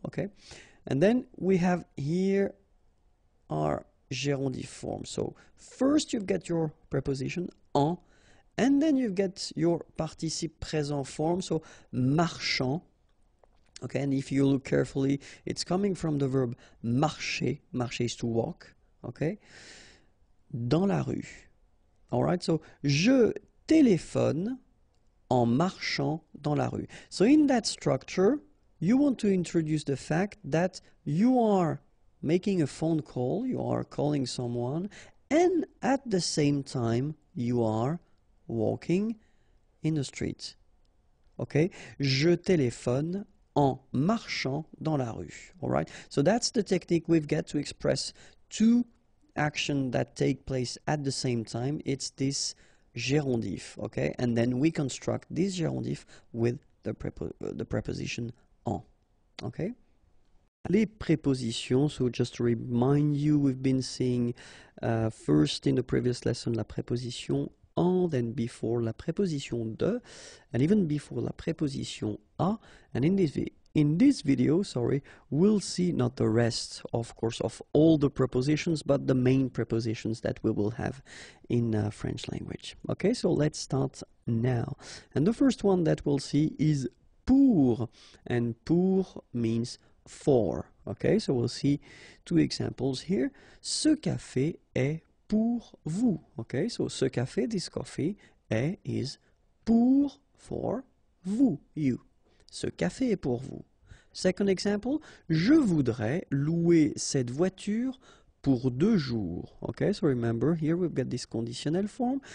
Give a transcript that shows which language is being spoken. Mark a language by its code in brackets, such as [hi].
[en] Okay, and then we have here our gérondif form. So first you've got your preposition en, and then you've got your participe présent form. So marchant. Okay, and if you look carefully, it's coming from the verb marcher. Marcher is to walk. Okay. [fr] Dans la rue. [en] All right, so [fr] je téléphone en marchant dans la rue. [en] So in that structure, you want to introduce the fact that you are making a phone call, you are calling someone, and at the same time, you are walking in the street. [fr] Okay, je téléphone en marchant dans la rue. [en] All right, so that's the technique we've got to express two action that take place at the same time. It's this gérondif, okay? And then we construct this gérondif with the preposition en, okay? [fr] Les prépositions, [en] so just to remind you, we've been seeing first in the previous lesson [fr] la préposition en, [en] then before [fr] la préposition de, [en] and even before [fr] la préposition à, [en] and in this video, we'll see not the rest, of course, of all the prepositions, but the main prepositions that we will have in French language. Okay, so let's start now. And the first one that we'll see is pour, and pour means for. Okay, so we'll see two examples here. [fr] Ce café est pour vous. [en] Okay, so [fr] ce café, [en] this coffee, est, is pour, for, vous, you. [fr] Ce café est pour vous. [en] Second example, [fr] je voudrais louer cette voiture pour 2 jours. [en] Okay, so remember, here we've got this conditional form.